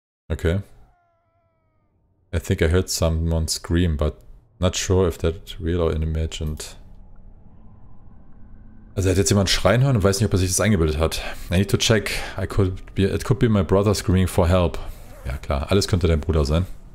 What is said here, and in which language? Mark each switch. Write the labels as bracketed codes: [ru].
[en] Okay. I think I heard someone scream, but not sure if that's real or imagined. [de] Also er hat jetzt jemand schreien hören und weiß nicht, ob er sich das eingebildet hat. [en] I need to check. It could be my brother screaming for help. [de] Ja klar, alles könnte dein Bruder sein.